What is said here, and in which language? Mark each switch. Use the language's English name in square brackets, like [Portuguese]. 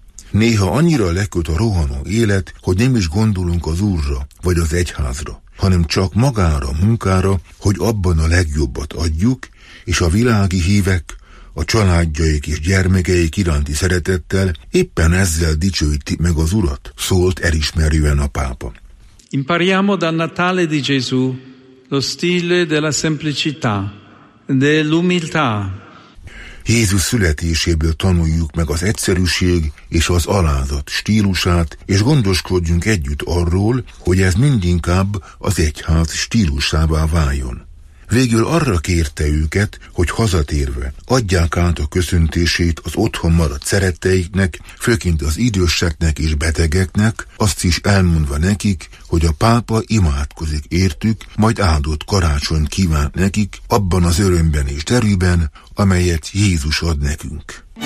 [Hungarian] Néha annyira leköt a rohanó élet, hogy nem is gondolunk az Úrra vagy az egyházra, hanem csak magára, munkára, hogy abban a legjobbat adjuk, és a világi hívek, a családjaik és gyermekeik iránti szeretettel éppen ezzel dicsőíti meg az Urat, szólt elismerően a pápa. [Italian] Impariamo dal Natale di Gesù lo stile della semplicità, dell'umiltà. [Hungarian] Jézus születéséből tanuljuk meg az egyszerűség és az alázat stílusát, és gondoskodjunk együtt arról, hogy ez mindinkább az egyház stílusává váljon. Végül arra kérte őket, hogy hazatérve adják át a köszöntését az otthon maradt szeretteiknek, főként az időseknek és betegeknek, azt is elmondva nekik, hogy a pápa imádkozik értük, majd áldott karácsony kívánt nekik abban az örömben és derűben, amelyet Jézus ad nekünk.